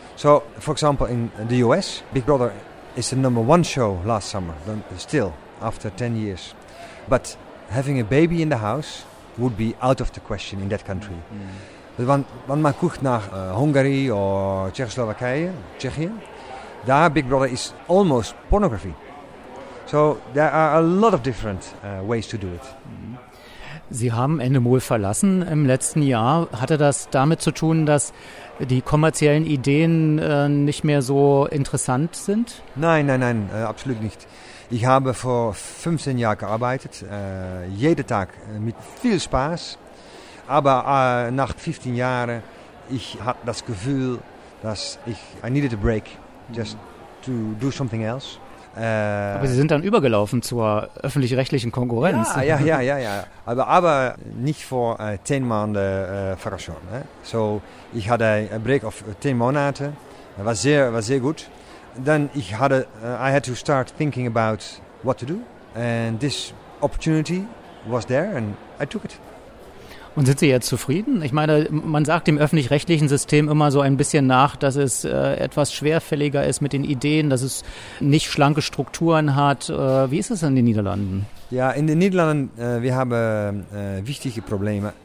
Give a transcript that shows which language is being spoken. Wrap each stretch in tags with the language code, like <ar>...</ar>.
<en>So, for example, in the US, Big Brother is the number one show last summer, still, after 10 years. But having a baby in the house would be out of the question in that country.</en> <de>Wenn man guckt nach Hungary oder Tschechien, daar</de> <en>Big Brother is almost pornography. So there are a lot of different ways to do it.</en> <de>Sie haben Endemol verlassen im letzten Jahr. Hatte das damit zu tun, dass die kommerziellen Ideen nicht mehr so interessant sind? Nein, absolut nicht. Ich habe vor 15 Jahren gearbeitet, jeden Tag mit viel Spaß. Aber nach 15 Jahren, ich hatte das Gefühl, dass ich</de> <en>I needed a break. Just to do something else.</en> <de>Aber Sie sind dann übergelaufen zur öffentlich-rechtlichen Konkurrenz. Ja. Aber nicht vor 10 Monaten Verraschung. So, ich hatte einen</de> <en>Break of</en> <de>10 Monate. War sehr gut. Dann</de> <en>I had to start thinking about what to do. And this opportunity was there and I took it.</en> <de>Und sind Sie jetzt zufrieden? Ich meine, man sagt dem öffentlich-rechtlichen System immer so ein bisschen nach, dass es etwas schwerfälliger ist mit den Ideen, dass es nicht schlanke Strukturen hat. Wie ist es in den Niederlanden? Ja, in den Niederlanden, wir haben wichtige Probleme.</de>